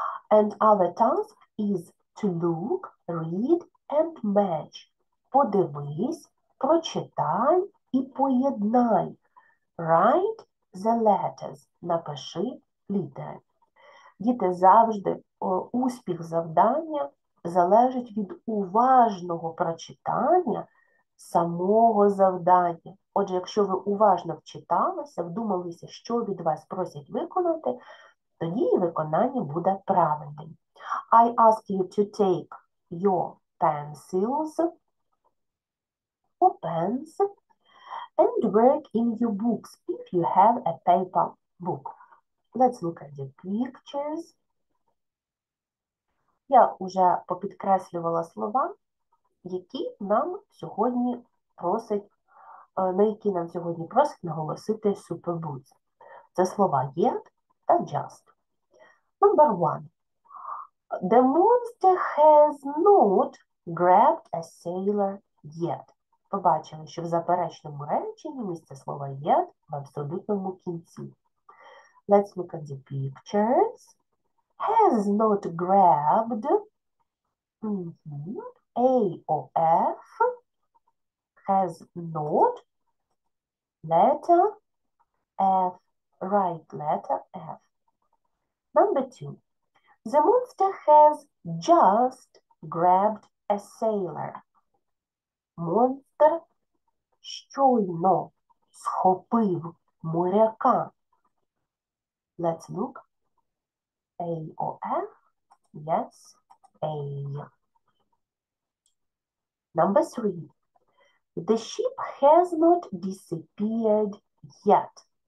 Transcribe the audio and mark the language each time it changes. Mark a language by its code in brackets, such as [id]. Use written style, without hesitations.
[en] And our task is to look, read and match. [uk] Подивись, прочитай і поєднай. [en] Write the letters. [uk] Напиши літери. Діти, завжди успіх завдання залежить від уважного прочитання самого завдання. Отже, якщо ви уважно вчиталися, вдумалися, що від вас просять виконати, тоді і виконання буде правильним. [en] I ask you to take your pencils or pens and work in your books if you have a paper book. Let's look at the pictures. [uk] Я вже попідкреслювала слова, які нам сьогодні просить, на які нам сьогодні просить наголосити Superboots. Це слова yet та just. [en] Number one. The monster has not grabbed a sailor yet. [uk] Побачили, що в заперечному реченні місце слова yet в абсолютному кінці. [en] Let's look at the pictures. Has not grabbed AOF has not letter F, right letter F. Number two, the monster has just grabbed a sailor. [uk] Монстр щойно схопив моряка. [en] Let's look. AOF. Yes, A. Number three. The ship has not disappeared yet.